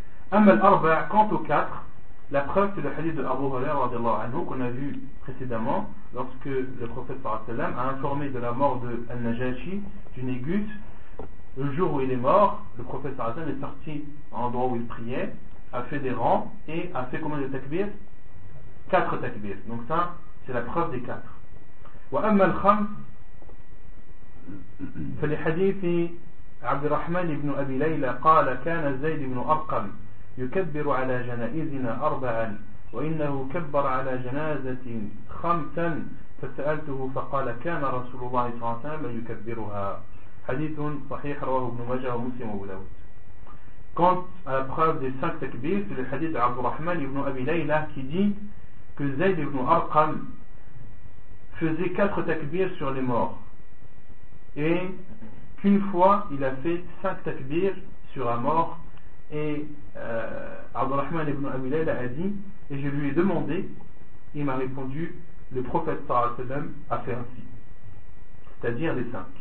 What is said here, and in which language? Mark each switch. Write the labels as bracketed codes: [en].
[ar] Amma al-arba', [fr] quant aux 4, la preuve c'est le hadith de Abu Hurayra qu'on a vu précédemment, lorsque le prophète sallallahu alayhi wa sallam a informé de la mort de Al-Najashi, du Négus, le jour où il est mort, le prophète sallallahu alayhi wa sallam est sorti à l'endroit où il priait, a fait des rangs, et a fait combien de takbir? 4 takbir. Donc ça, c'est la preuve des 4. [ar] Wa amma al-khams, فلحديث عبد الرحمن بن أبي ليلى قال كان زيد بن أرقم يكبر على جنائزنا أربعا وإنه كبر على جنازة خمسا فسألته فقال كان رسول الله صلى الله عليه وسلم يكبرها. حديث صحيح رواه ابن ماجه ومسلم وابو داود. [fr] Quant à la preuve des 5 takbirs, c'est le hadith d'Abd al-Rahman ibn Abi Layla qui dit que Zayd ibn Arqam faisait 4 takbirs sur les morts et qu'une fois il a fait 5 takbirs sur un mort et Abdurrahman ibn Abi Layla a dit et je lui ai demandé, il m'a répondu le prophète sallallahu alayhi wa sallam a fait ainsi, c'est-à-dire les 5.